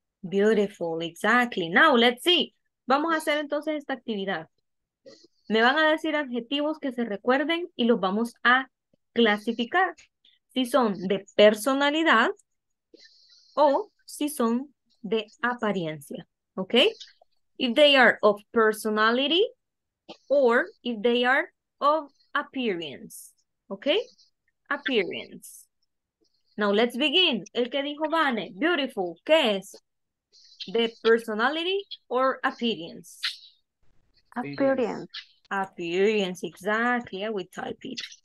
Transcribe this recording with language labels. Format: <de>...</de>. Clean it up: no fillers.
<en>Beautiful, exactly. Now, let's see.</en> <es>Vamos a hacer entonces esta actividad. Me van a decir adjetivos que se recuerden y los vamos a clasificar. Si son de personalidad o si son de apariencia. ¿Ok?</es> <en>If they are of personality or if they are of appearance. ¿Ok? Appearance. Now let's begin.</en> <es>El que dijo Vane, beautiful, ¿qué es?</es> <en>The personality or appearance? Appearance. Appearance, exactly. I would type it.</en>